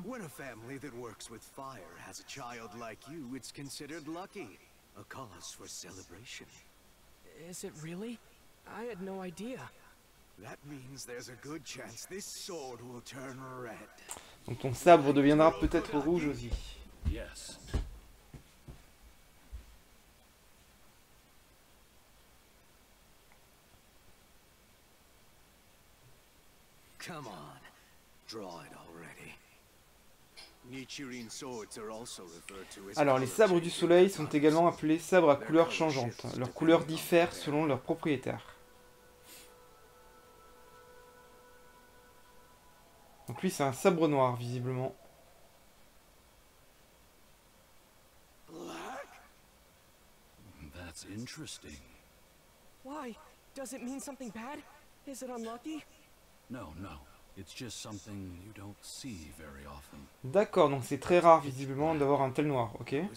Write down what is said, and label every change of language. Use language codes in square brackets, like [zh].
[en] When a family that works with fire has a child like you, it's considered lucky. A cause for celebration. Is it really? I had no idea. That means there's a good chance this sword will turn red. [fr] Donc ton sabre deviendra peut-être rouge aussi. [en] Yes. Come on, draw it already. Nichirin swords are also referred to as. [fr] Alors les sabres du soleil sont également appelés sabres à couleur changeante. Leur couleur diffère selon leur propriétaire. Donc lui, c'est un sabre noir, visiblement. [en] Black? That's interesting. Why? Does it mean something bad? Is it unlucky? No, no. It's just something you don't see very often. [fr] D'accord, donc c'est très rare, visiblement, d'avoir un tel noir, ok?